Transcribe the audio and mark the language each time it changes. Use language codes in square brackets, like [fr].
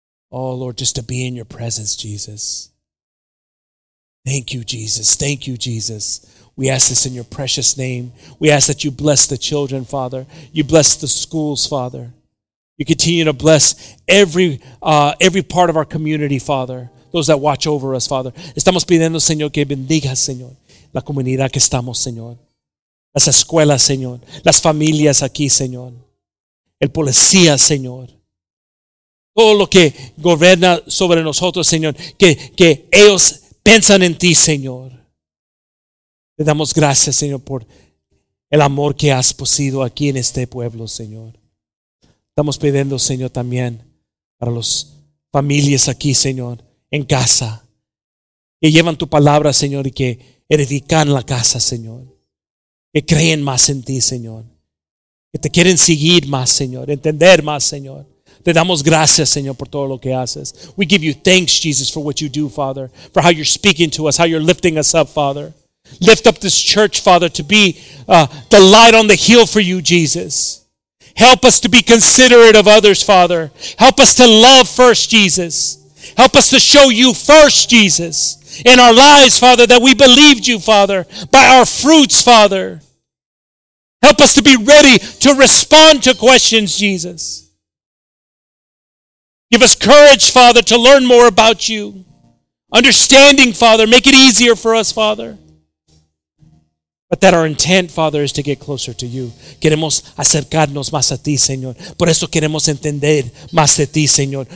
[en] Oh, Lord, just to be in your presence, Jesus. Thank you, Jesus. Thank you, Jesus. We ask this in your precious name. We ask that you bless the children, Father. You bless the schools, Father. You continue to bless every part of our community, Father. Those that watch over us, Father. [es] Estamos pidiendo, Señor, que bendiga, Señor, la comunidad que estamos, Señor. Las escuelas, Señor. Las familias aquí, Señor. El policía, Señor. Todo lo que gobierna sobre nosotros, Señor, que ellos piensan en ti, Señor. Te damos gracias, Señor, por el amor que has puesto aquí en este pueblo, Señor. Estamos pidiendo, Señor, también para las familias aquí, Señor, en casa, que llevan tu palabra, Señor, y que edifican la casa, Señor. Que creen más en ti, Señor. Que te quieren seguir más, Señor, entender más, Señor. Te damos gracias, Señor, por todo lo que haces. [en] We give you thanks, Jesus, for what you do, Father, for how you're speaking to us, how you're lifting us up, Father. Lift up this church, Father, to be the light on the hill for you, Jesus. Help us to be considerate of others, Father. Help us to love first, Jesus. Help us to show you first, Jesus, in our lives, Father, that we believed you, Father, by our fruits, Father. Help us to be ready to respond to questions, Jesus. Give us courage, Father, to learn more about you. Understanding, Father, make it easier for us, Father. But that our intent, Father, is to get closer to you. [es] Queremos acercarnos más a ti, Señor. Por eso queremos entender más de ti, Señor.